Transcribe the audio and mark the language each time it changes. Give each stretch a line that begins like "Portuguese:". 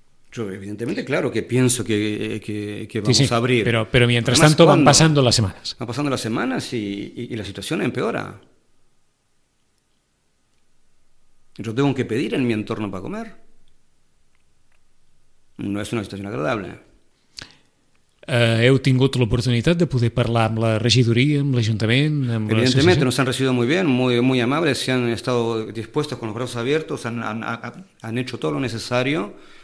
Spanish: Yo, evidentemente, claro que pienso que vamos, sí, sí, a abrir. Pero mientras además, tanto, ¿cuándo? Van pasando las semanas. Van pasando las semanas y la situación empeora. Yo tengo que pedir en mi entorno para comer.
Catalan: No és una situació agradable. Heu tingut l'oportunitat de poder parlar amb la regidoria, amb l'Ajuntament, amb la associació?
Spanish: Evidentment, nos han recibido muy bien, muy, muy amables, se han estado dispuestos con los brazos abiertos, han hecho todo lo necesario